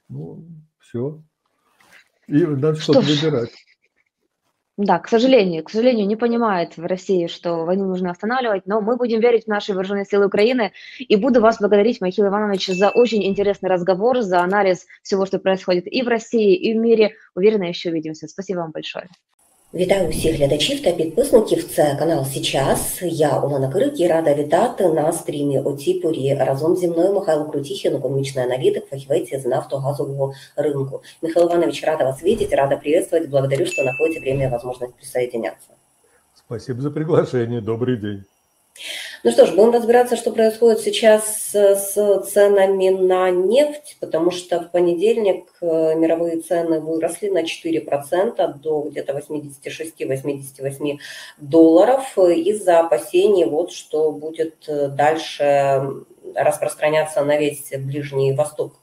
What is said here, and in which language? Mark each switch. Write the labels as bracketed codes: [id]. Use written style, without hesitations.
[ru] Ну, все. И надо что-то выбирать. Да, к сожалению, не понимают в России, что войну нужно останавливать, но мы будем верить в наши вооруженные силы Украины. И буду вас благодарить, Михаил Иванович, за очень интересный разговор, за анализ всего, что происходит и в России, и в мире. Уверена, еще увидимся. Спасибо вам большое. [uk] Вітаю всіх глядачів та підписників. Це канал «Січас». Я Олена Кирик і рада вітати на стрімі о цій порі. Разом зі мною Михайло Крутіхін, економічний аналітик, фахівець з нафтогазового ринку. [ru] Михайло Іванович, рада вас видеть, рада приветствовать. Благодарю, что находите время и возможность присоединяться. Спасибо за приглашение. Добрый день. Ну что ж, будем разбираться, что происходит сейчас с ценами на нефть, потому что в понедельник мировые цены выросли на 4% до где-то $86-88 из-за опасений, вот, что будет дальше распространяться на весь Ближний Восток.